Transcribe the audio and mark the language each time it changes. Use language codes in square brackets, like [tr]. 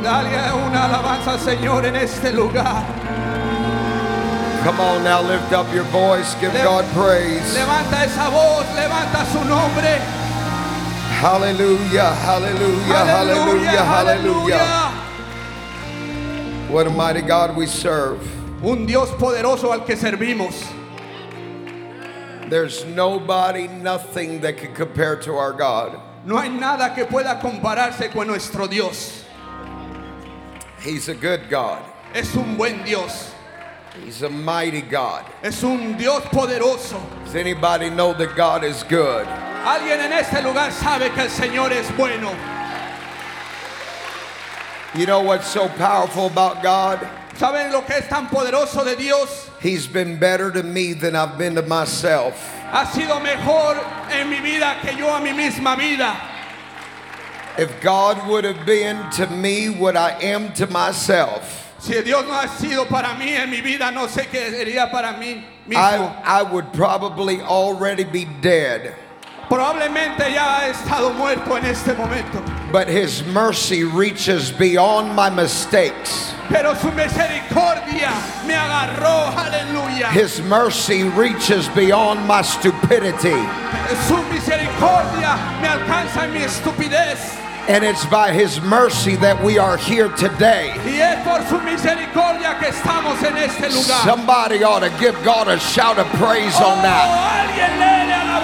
[es] dale una alabanza al Señor en este lugar. [en] Come on now, lift up your voice, give God praise. [es] Levanta esa voz, levanta su nombre. Hallelujah, hallelujah, hallelujah, hallelujah. [en] What a mighty God we serve. [es] Un Dios poderoso al que servimos. [en] There's nobody, nothing that can compare to our God. [es] No hay nada que pueda compararse con nuestro Dios. [en] He's a good God. [es] Es un buen Dios. [en] He's a mighty God. [es] Es un Dios poderoso. [en] Does anybody know that God is good? [es] Alguien en este lugar sabe que el Señor es bueno. [en] You know what's so powerful about God? [es] ¿Saben lo que es tan poderoso de Dios? [en] He's been better to me than I've been to myself. [es] Ha sido mejor en mi vida que yo a mi misma vida. [en] If God would have been to me what I am to myself, [es] si Dios no ha sido para mí en mi vida, no sé qué sería para mí mismo. [en] I would probably already be dead. [es] Probablemente ya ha estado muerto en este momento. [en] But his mercy reaches beyond my mistakes. [es] Pero su misericordia me agarró, hallelujah. [en] His mercy reaches beyond my stupidity. [es] Su misericordia me alcanza en mi estupidez. [en] And it's by his mercy that we are here today. [es] Y es por su misericordia que estamos en este lugar. [en] Somebody ought to give God a shout of praise on that.